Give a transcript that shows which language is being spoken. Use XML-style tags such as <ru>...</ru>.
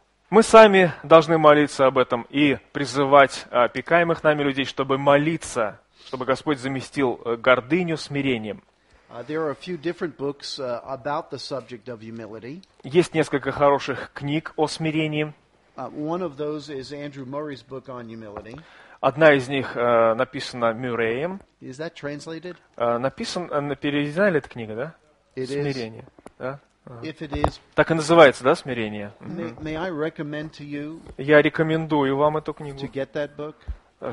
<ru>Мы сами должны молиться об этом и призывать опекаемых нами людей, чтобы молиться, чтобы Господь заместил гордыню смирением.</ru> <en>There are a few different books about the subject of humility.</en> <ru>Есть несколько хороших книг о смирении.</ru> <en>One of those is Andrew Murray's book on humility.</en> <ru>Одна из них написана Мюрреем.</ru> <en>Is that translated?</en> <ru>Переведена ли эта книга, да?</ru> <en>It</en> <ru>смирение.</ru> <en>Is.</en> <ru>Да?</ru> <en>If it is.</en> <ru>Так и называется, да, смирение.</ru> <en>May I recommend to you?</en> <ru>Я рекомендую вам эту книгу.</ru> <en>To get that book.</en>